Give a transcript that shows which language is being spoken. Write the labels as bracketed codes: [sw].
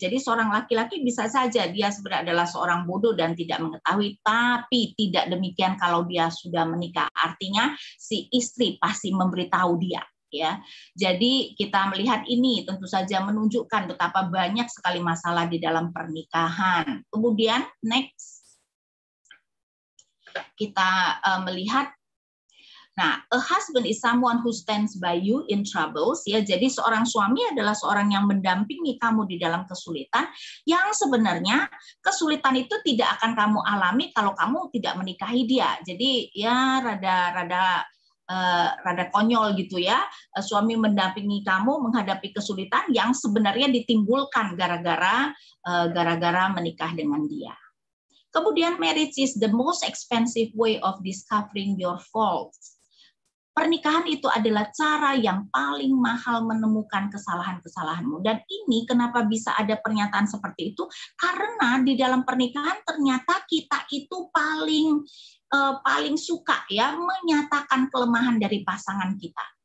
[id] Jadi seorang laki-laki bisa saja dia sebenarnya adalah seorang bodoh dan tidak mengetahui, tapi tidak demikian kalau dia sudah menikah. Artinya si istri pasti memberitahu dia ya. Jadi kita melihat ini tentu saja menunjukkan betapa banyak sekali masalah di dalam pernikahan. Kemudian [en] next [id] kita melihat, nah, [en] a husband is someone who stands by you in troubles ya. [id] Jadi seorang suami adalah seorang yang mendampingi kamu di dalam kesulitan, yang sebenarnya kesulitan itu tidak akan kamu alami kalau kamu tidak menikahi dia. Jadi ya rada konyol gitu ya, suami mendampingi kamu menghadapi kesulitan yang sebenarnya ditimbulkan gara-gara menikah dengan dia. [en] Kemudian marriage is the most expensive way of discovering your faults. [id] Pernikahan itu adalah cara yang paling mahal menemukan kesalahan-kesalahanmu. Dan ini kenapa bisa ada pernyataan seperti itu? Karena di dalam pernikahan ternyata kita itu paling suka ya menyatakan kelemahan dari pasangan kita.